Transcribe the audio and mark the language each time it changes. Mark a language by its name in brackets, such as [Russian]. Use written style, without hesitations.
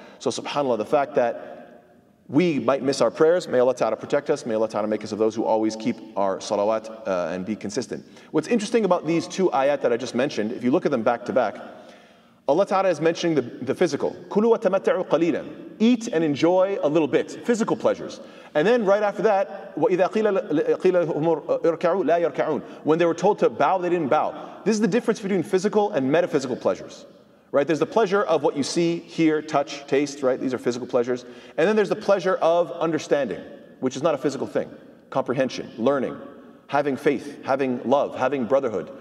[English] So subhanAllah, the fact that we might miss our prayers, may Allah Ta'ala protect us, may Allah Ta'ala make us of those who always keep our salawat and be consistent. What's interesting about these two ayat that I just mentioned, if you look at them back to back, Allah Ta'ala is mentioning the physical. [Arabic] كُلُوا وَتَمَتَّعُوا قَلِيلًا. [English] Eat and enjoy a little bit. Physical pleasures. And then right after that, [Arabic] وَإِذَا قِيلَ لَهُمُ ارْكَعُوا لَا يَرْكَعُونَ. [English] When they were told to bow, they didn't bow. This is the difference between physical and metaphysical pleasures. Right? There's the pleasure of what you see, hear, touch, taste. Right? These are physical pleasures. And then there's the pleasure of understanding, which is not a physical thing. Comprehension, learning, having faith, having love, having brotherhood.